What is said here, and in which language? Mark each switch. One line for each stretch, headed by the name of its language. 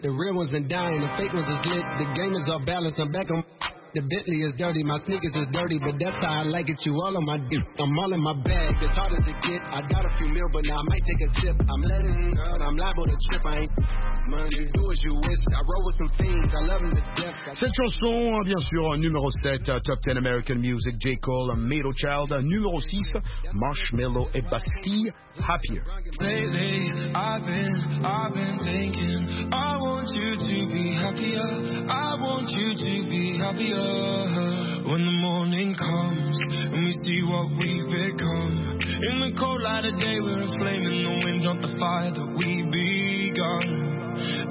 English: The real ones been dying, the fake ones is lit, the game is off balance, I'm back on. The Bentley is dirty, my sneakers is dirty, but that's how I like it. You all on my dick, I'm all in my bag, as hard as it get. I got a few mil, but now I might take a sip. I'm letting go, I'm liable to trip. I ain't money, do as you wish. I roll with some things, I love them to death.
French: Cette chanson, bien sûr, numéro 7, Top 10 American Music, J. Cole, Middle Child. Numéro 6, Marshmello et Bastille, Happier.
English: Lately, I've been thinking, I want you to be happier. I want you to be happier. When the morning comes and we see what we've become, in the cold light of day we're aflame, in the wind not the fire that we begun.